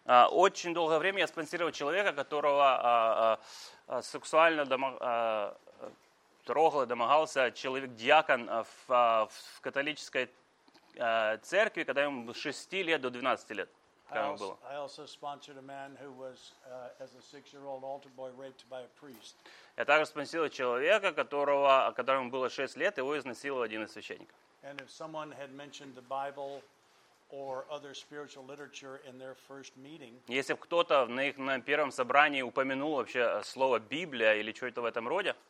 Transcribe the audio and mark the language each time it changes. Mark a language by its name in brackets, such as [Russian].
[Russian] Очень долгое время я спонсировал человека, которого сексуально трогал и домогался человек-диакон в католической церкви, когда ему было 6 лет до 12 лет. [English] I also sponsored a man who was, as a 6-year-old altar boy, raped by a priest. [Russian] Я также спонсировал человека, которому было 6 лет, его изнасиловал один из священников. [English] And if someone had mentioned the Bible or other spiritual literature in their first meeting, [Russian] если бы кто-то на первом собрании упомянул вообще слово Библия или что-то в этом роде,